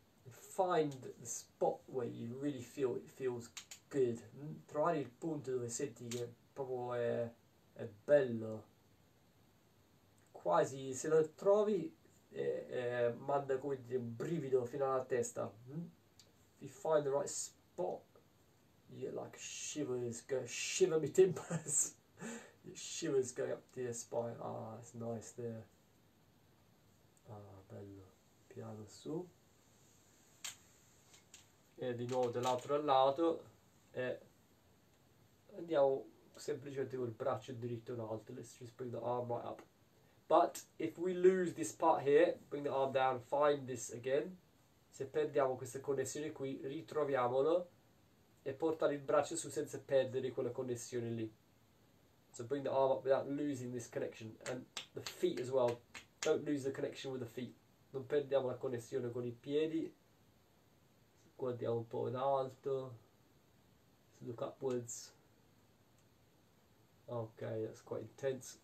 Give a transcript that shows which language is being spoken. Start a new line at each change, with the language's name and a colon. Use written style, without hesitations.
English: Find the spot where you really feel it feels good.
Italian: Trovare il punto dove senti che proprio è bello. Quasi, se lo trovi, manda come dire un brivido fino alla testa.
English: If you find the right spot, you're like shiver me timbers. Your shivers going up to your spine. Ah, it's nice there.
Italian: Ah, bello. Piano su. E di nuovo dall'altro lato. E andiamo semplicemente col braccio diritto in alto.
English: Let's just bring the arm right up. But if we lose this part here, bring the arm down, find this again.
Italian: Se perdiamo questa connessione qui, ritroviamolo. E portare il braccio su senza perdere quella connessione lì.
English: So bring the arm up without losing this connection. And the feet as well. Don't lose the connection with the feet.
Italian: Non perdiamo la connessione con i piedi. Guardiamo un po' in alto.
English: Look upwards. Okay, that's quite intense.